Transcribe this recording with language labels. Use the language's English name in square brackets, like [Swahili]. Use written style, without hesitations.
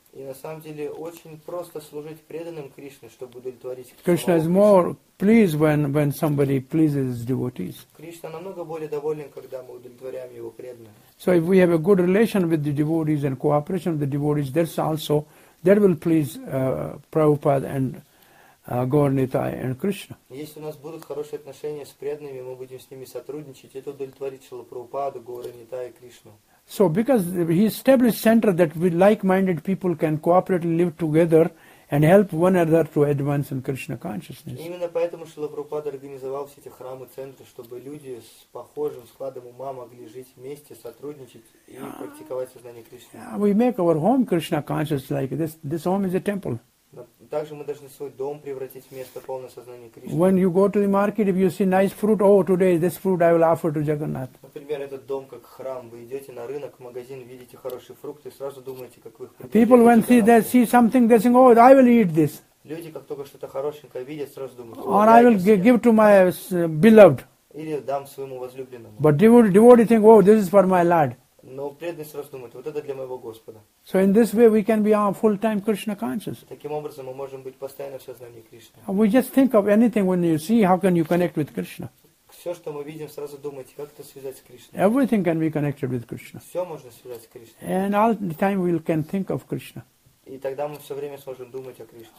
[Russian] И на самом деле очень просто служить преданным Кришне, чтобы удовлетворить Кришну. [English] Krishna is more pleased when somebody pleases his devotees. [Russian] Кришна намного более доволен, когда мы удовлетворяем его преданных. [English] So if we have a good relation with the devotees and cooperation with the devotees, that's also that will please Prabhupada and Gauranitai and Krishna. [Russian] Если у нас будут хорошие отношения с преданными, мы будем с ними сотрудничать, это удовлетворит Шрила Прабхупаду, Гауранитай и Кришну. [English] So because he established center that we like-minded people can cooperatively live together and help one another to advance in Krishna consciousness. [Russian] Именно поэтому Шрила Прабхупада организовал все эти храмы, центры, чтобы люди с похожим складом ума могли жить вместе, сотрудничать и практиковать сознание Кришны. [English] Yeah, we make our home Krishna conscious like this. This home is a temple. [Russian] Также мы должны свой дом превратить в место полное сознания Кришны. [English] When you go to the market, if you see nice fruit, oh, today this fruit I will offer to Jagannath. [Russian] Например, этот дом как храм. Вы идете на рынок, в магазин, видите хорошие фрукты, сразу думаете, как вы их приготовите. [English] People, when see something, they think, oh, I will eat this. [Russian] Люди, как только что-то хорошенькое видят, сразу думают, [English] or I will give to my beloved. [Russian] Или дам своему возлюбленному. [English] But devotee think, oh, this is for my Lord. [Russian] Но преданный сразу думает, вот это для моего Господа. [English] So in this way we can be our full-time Krishna conscious. [Russian] Таким образом мы можем быть постоянно в сознании Кришны. [English] We just think of anything when you see how can you connect with Krishna. [Russian] Все, что мы видим, сразу думайте, как это связать с Кришной. [English] Everything can be connected with Krishna. [Russian] Все можно связать с Кришной. [English] And all the time we can think of Krishna. [Russian] И тогда мы все время сможем думать о Кришне.